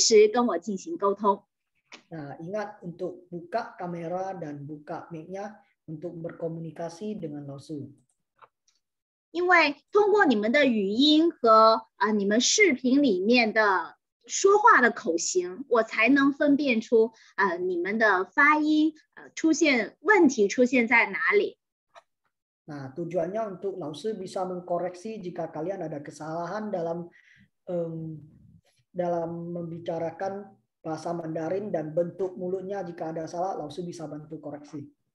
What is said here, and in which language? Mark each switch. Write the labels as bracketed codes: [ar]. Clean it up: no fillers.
[zh] 请大家要记得打开你们的摄像头和你们的话筒，然后随时跟我进行沟通。 [id] ingat untuk buka kamera dan buka mic-nya untuk berkomunikasi dengan Losu. [zh] 因为通过你们的语音和你们视频里面的说话的口型，我才能分辨出你们的发音出现问题出现在哪里。 [id] Nah, tujuannya untuk Lausu bisa mengkoreksi jika kalian ada kesalahan dalam dalam membicarakan bahasa Mandarin dan bentuk mulutnya jika ada salah, Lausu bisa bantu koreksi.